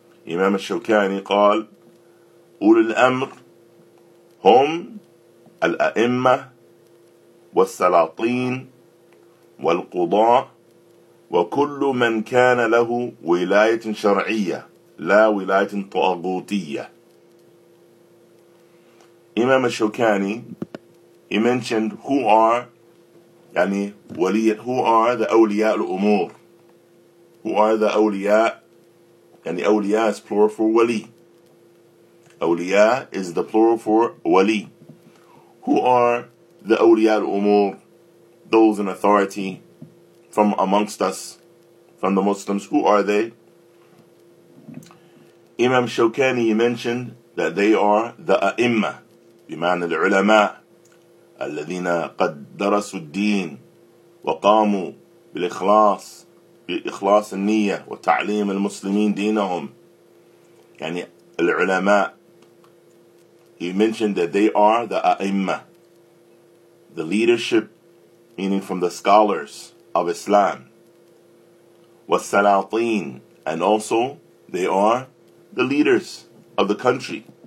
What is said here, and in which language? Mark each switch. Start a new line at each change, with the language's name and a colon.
Arabic: إمام الشوكاني قال أولي الأمر هم الأئمة والسلاطين والقضاء وكل من كان له ولاية شرعية لا ولاية طاغوتية.
English: إمام الشوكاني he mentioned who are يعني ولي who are the أولياء الأمور who are the أولياء يعني أولياء is plural for ولي أولياء is the plural for ولي. Who are the أولياء الأمور, those in authority from amongst us, from the Muslims, who are they? Imam Shawkani mentioned that they are the
Arabic: أئمة بمعنى العلماء الذين قد درسوا الدين وقاموا بالإخلاص بإخلاص النية وتعليم المسلمين دينهم يعني العلماء.
English: He mentioned that they are the أئمة, the leadership, meaning from the scholars of Islam. والسلاطين, and also they are the leaders of the country.